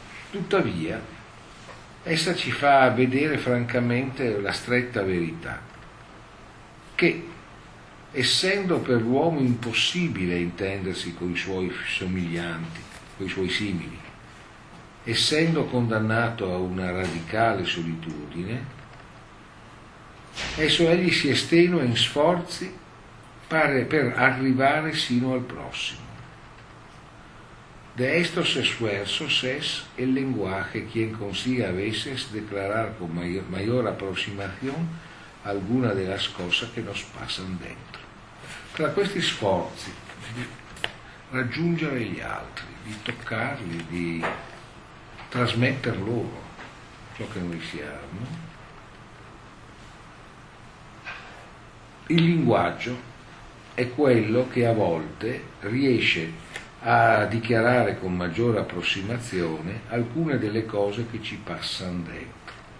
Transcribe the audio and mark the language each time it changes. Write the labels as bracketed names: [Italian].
[Italian] Tuttavia, essa ci fa vedere francamente la stretta verità, che, essendo per l'uomo impossibile intendersi con i suoi somiglianti, con i suoi simili, essendo condannato a una radicale solitudine, esso egli si estenua in sforzi pare per arrivare sino al prossimo. [Spanish] De estos esfuerzos es el lenguaje quien consigue a veces declarar con mayor aproximación alguna de las cosas que nos pasan dentro. [Italian] Tra questi sforzi di raggiungere gli altri, di toccarli, di trasmetter loro ciò che noi siamo, il linguaggio è quello che a volte riesce a dichiarare con maggiore approssimazione alcune delle cose che ci passano dentro.